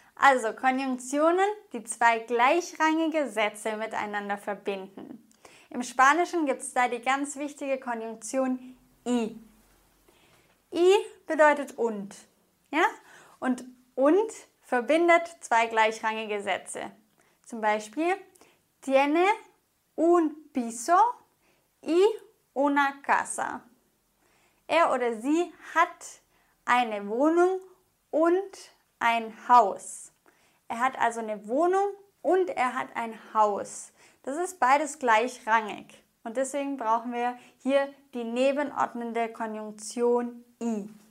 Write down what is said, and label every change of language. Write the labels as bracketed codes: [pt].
[de] Also Konjunktionen, die zwei gleichrangige Sätze miteinander verbinden. Im Spanischen gibt es da die ganz wichtige Konjunktion I. I bedeutet und, ja? Und verbindet zwei gleichrangige Sätze. Zum Beispiel, [es] tiene un piso y una casa. [de] Er oder sie hat eine Wohnung und ein Haus. Er hat also eine Wohnung und er hat ein Haus. Das ist beides gleichrangig. Und deswegen brauchen wir hier die nebenordnende Konjunktion I.